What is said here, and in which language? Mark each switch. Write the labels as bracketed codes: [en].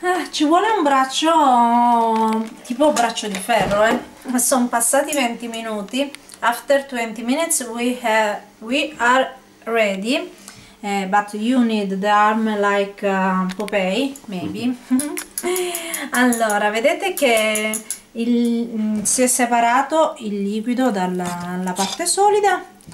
[it] Ci vuole un braccio tipo braccio di ferro, eh? Sono passati 20 minuti. [en] After 20 minutes we are ready, but you need the arm like Popeye, maybe. [it] Allora, vedete che si è separato il liquido dalla parte solida.